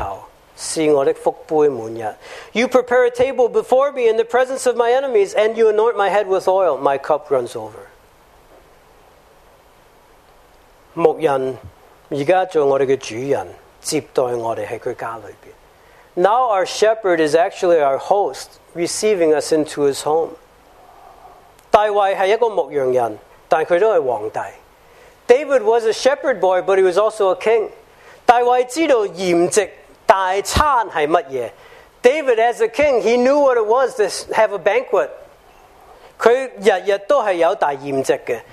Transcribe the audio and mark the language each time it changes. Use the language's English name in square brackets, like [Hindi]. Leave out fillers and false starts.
[Chinese] 在我敌人面前，你为我摆设筵席，你用油膏了我的头，是我的福杯满溢。 [English] You prepare a table before me in the presence of my enemies, and you anoint my head with oil. My cup runs over. [Chinese] 牧人现在做我们的主人，接待我们在他家里边。 [English] Now our shepherd is actually our host, receiving us into his home. [Chinese] 大卫是一个牧羊人，但他都是皇帝。 [English] David was a shepherd boy, but he was also a king. [Chinese] 大卫知道筵席大餐是什么。 [English] David, as a king, he knew what it was to have a banquet. [Chinese] 他每天都是有大筵席的。